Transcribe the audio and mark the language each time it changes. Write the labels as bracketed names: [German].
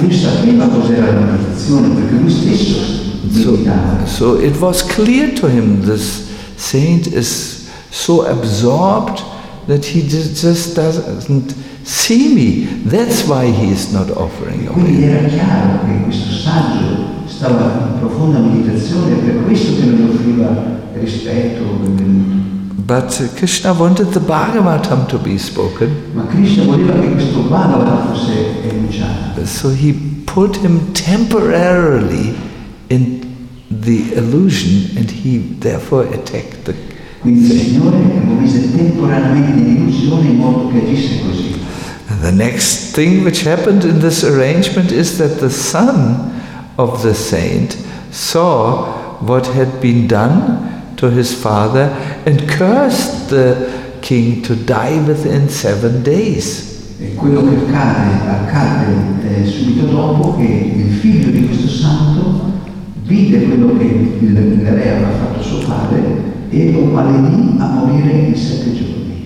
[Italian] Lui sapeva cos'era la meditazione perché lui stesso meditava. [English] So it was clear to him this saint is so absorbed that he just doesn't see me. That's why he is not offering obeisance. [Italian] Quindi era chiaro che questo saggio stava in profonda meditazione e per questo che non offriva rispetto. [English] But Krishna wanted the Bhagavatam to be spoken. [Italian] Ma Krishna voleva che questo Bhagavatam fosse enunciato. [English] So he put him temporarily in the illusion and he therefore attacked the [Italian] Signore lo mise temporaneamente in illusione in modo che agisse così. [English] The next thing which happened in this arrangement is that the son of the saint saw what had been done to his father and cursed the king to die within 7 days. [Italian] E quello che accade subito dopo che il figlio di questo santo vide quello che il re aveva fatto suo padre e lo maledì a morire in 7 giorni.